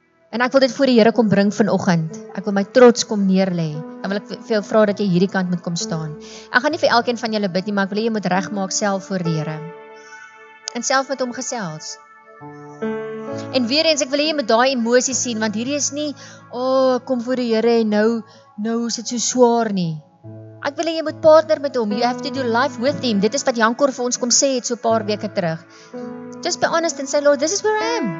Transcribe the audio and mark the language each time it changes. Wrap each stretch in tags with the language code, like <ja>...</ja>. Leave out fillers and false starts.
<af>En ek wil dit voor die Here kom bring vanoggend. Ek wil my trots kom neerlê. Dan wil ek vir jou vra dat jy hierdie kant moet kom staan. Ek gaan nie vir elkeen van julle bid nie, maar ek wil jy moet regmaak self voor die Here. En self met hom gesels. En weer eens, ek wil jy met daai emosie sien, want hierdie is nie, kom voor die Here en nou is dit so swaar nie. Ek wil hê jy moet partner met hom.</af> <en>You have to do life with him.</en> <af>Dit is wat Jankor vir ons kom sê het so paar weke terug.</af> <en>Just be honest and say, Lord, this is where I am.</en>